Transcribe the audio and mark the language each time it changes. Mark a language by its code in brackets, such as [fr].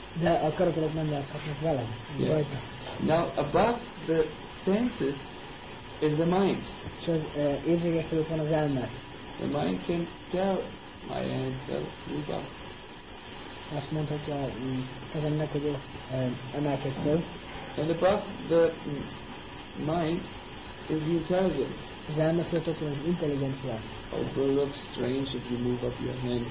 [hu] De a karatát nem játszhatnak velem. Yeah. [en] Now above the senses is the mind. [hu] So érzékek fölött van az elme. [en] The mind can tell my hand, tell you that. [hu] Azt mondhatja az ennek, hogy emelkedj föl. [en] And above the mind is the intelligence. [hu] Az elme fölött ott van az intelligencia. [en] Oh, it looks strange if you move up your hand.